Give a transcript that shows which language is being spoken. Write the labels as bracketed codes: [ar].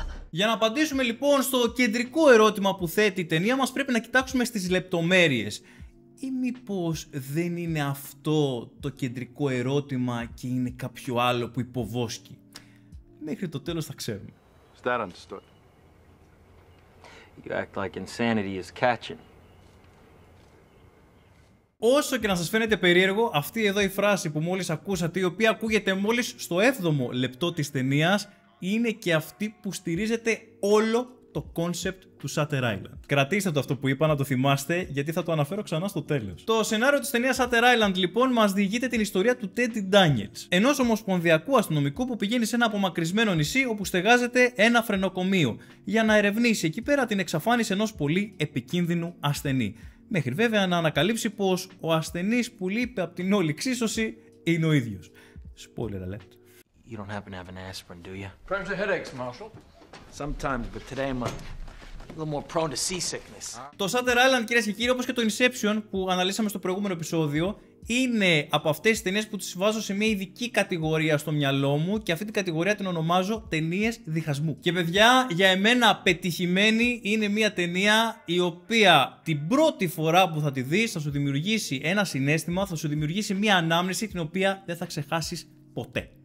[el] Για να απαντήσουμε λοιπόν στο κεντρικό ερώτημα που θέτει η ταινία μας, πρέπει να κοιτάξουμε στις λεπτομέρειες. Ή μήπως δεν είναι αυτό το κεντρικό ερώτημα και είναι κάποιο άλλο που υποβόσκει? Μέχρι το τέλος θα ξέρουμε. [en] Is that understood? You act like insanity is catching. [el] Όσο και να σας φαίνεται περίεργο, αυτή εδώ η φράση που μόλις ακούσατε, η οποία ακούγεται μόλις στο 7ο λεπτό της ταινίας, είναι και αυτή που στηρίζεται όλο το concept του Shutter Island. Κρατήστε το αυτό που είπα να το θυμάστε, γιατί θα το αναφέρω ξανά στο τέλος. Το σενάριο της ταινίας Shutter Island λοιπόν μας διηγείται την ιστορία του Teddy Daniels, ενός ομοσπονδιακού αστυνομικού που πηγαίνει σε ένα απομακρυσμένο νησί όπου στεγάζεται ένα φρενοκομείο για να ερευνήσει εκεί πέρα την εξαφάνιση ενός πολύ επικίνδυνου ασθενή. Μέχρι βέβαια να ανακαλύψει πως ο ασθενής που λείπει από την όλη εξίσωση είναι ο ίδιος. [en] Spoiler alert. You don't happen to have an aspirin, do you? Cramps and headaches, Marshal. Sometimes, but today I'm a little more prone to seasickness. [el] Το Shutter Island, κυρίες και κύριοι, όπως και το Inception που αναλύσαμε στο προηγούμενο επεισόδιο, είναι από αυτές τις ταινίες που τις βάζω σε μια ειδική κατηγορία στο μυαλό μου και αυτή την κατηγορία την ονομάζω ταινίες διχασμού. Και παιδιά, για εμένα πετυχημένη είναι μια ταινία η οποία την πρώτη φορά που θα τη δεις θα σου δημιουργήσει ένα συνέστημα, θα σου δημιουργήσει μια ανάμνηση την οποία δεν θα ξεχάσεις ποτέ.